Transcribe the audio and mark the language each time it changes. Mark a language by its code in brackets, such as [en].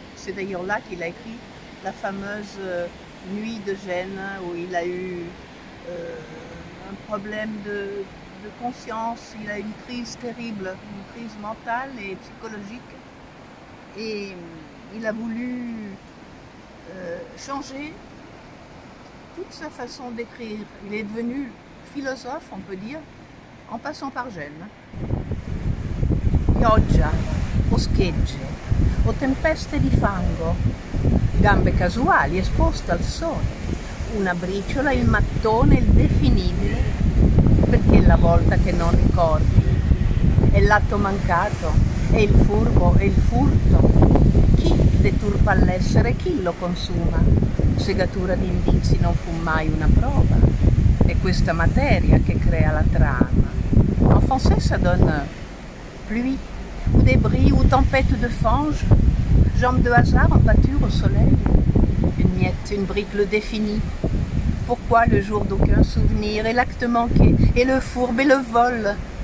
[fr] C'est d'ailleurs là qu'il a écrit la fameuse nuit de Gênes, où il a eu un problème de conscience, il a eu une crise terrible, une crise mentale et psychologique, et il a voulu changer toute sa façon d'écrire. Il est devenu philosophe, on peut dire, en passant par Gênes. [it] Pioggia, o schegge, o tempeste di fango, gambe casuali esposte al sole, una briciola, il mattone, il definibile, perché la volta che non ricordi, è l'atto mancato, è il furbo, è il furto, chi deturpa l'essere, chi lo consuma, segatura di indizi non fu mai una prova, è questa materia che crea la trama. [fr] En français, ça donne pluie, ou débris, ou tempête de fange, jambes de hasard en pâture au soleil, une miette, une brique, le défini. Pourquoi le jour d'aucun souvenir, et l'acte manqué, et le fourbe, et le vol?